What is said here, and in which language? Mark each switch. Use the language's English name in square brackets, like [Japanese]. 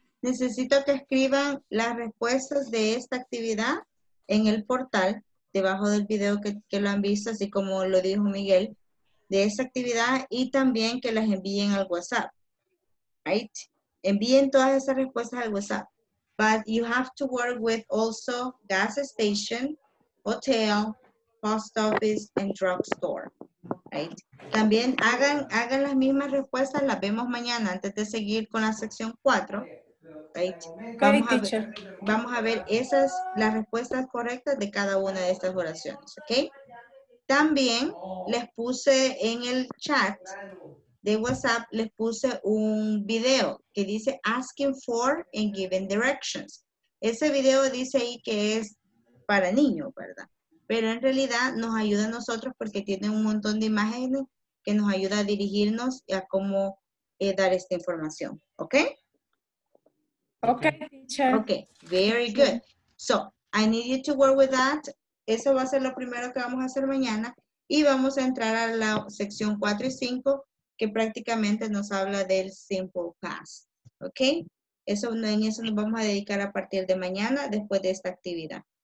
[Spanish] Necesito que escriban las respuestas de esta actividad en el portal debajo del video que lo han visto, así como lo dijo Miguel. De esa actividad y también que las envíen al WhatsApp, right? Envíen todas esas respuestas al WhatsApp. [English] But you have to work with also gas station, hotel, post office, and drugstore, right? [Spanish] También hagan las mismas respuestas, las vemos mañana antes de seguir con la sección 4, right? Vamos a ver esas, las respuestas correctas de cada una de estas oraciones, okay? También les puse en el chat de WhatsApp, les puse un video que dice [English] asking for and giving directions. [Spanish] Ese video dice ahí que es para niños, ¿verdad? Pero en realidad nos ayuda a nosotros porque tiene un montón de imágenes que nos ayuda a dirigirnos y a cómo dar esta información. ¿Ok? [English] Ok, teacher. Ok, very good. So, I need you to work with that. [Spanish] Eso va a ser lo primero que vamos a hacer mañana y vamos a entrar a la sección 4 y 5 que prácticamente nos habla del simple past, ¿ok? Eso, en eso nos vamos a dedicar a partir de mañana después de esta actividad.